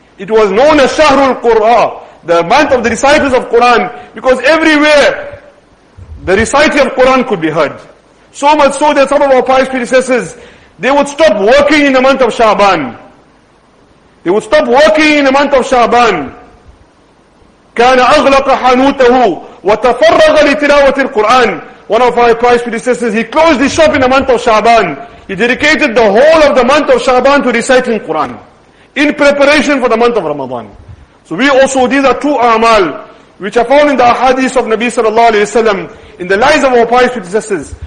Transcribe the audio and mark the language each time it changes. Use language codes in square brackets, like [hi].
[en] It was known as Shahrul Qur'a, the month of the recitals of Quran, because everywhere, the reciting of Quran could be heard. So much so that some of our pious predecessors, they would stop working in the month of Sha'ban. They would stop working in the month of Sha'ban. [ar] كان أغلق حانوته وتفرغ لتلاوة القرآن. [en] One of our pious predecessors, he closed his shop in the month of Sha'ban. He dedicated the whole of the month of Sha'ban to reciting Quran in preparation for the month of Ramadan. So we also, these are two a'mal which are found in the ahadith of Nabi sallallahu alayhi wa sallam in the lives of our pious predecessors.